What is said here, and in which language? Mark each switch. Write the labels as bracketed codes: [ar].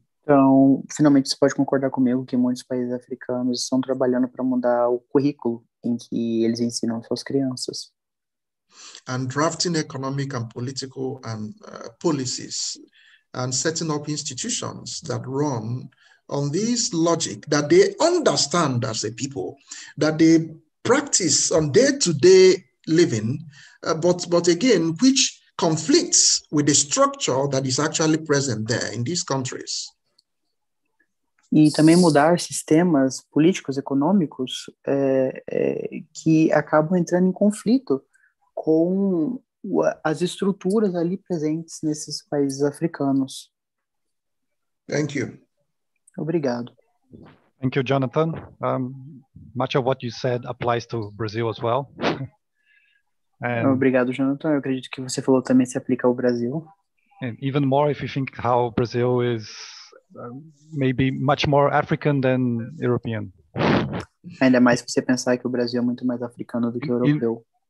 [pt] Então, finalmente, você pode concordar comigo que muitos países africanos estão trabalhando para mudar o currículo em que eles ensinam suas crianças. [en] And drafting economic and political and policies and setting up institutions that run on this logic that they understand as a people, that they practice on day-to-day living, but again, which conflicts with the structure that is actually present there in these countries. [pt] E também mudar sistemas políticos, econômicos, que acabam entrando em conflito com as estruturas ali presentes nesses países africanos. [en] Thank you. [pt] Obrigado. [en] Thank you, Jonathan. Much of what you said applies to Brazil as well. [pt] And obrigado, Jonathan. Eu acredito que você falou também se aplica ao Brasil. [en] And even more if you think how Brazil is maybe much more African than European. [pt] Ainda mais se você pensar que o Brasil é muito mais africano do que o europeu.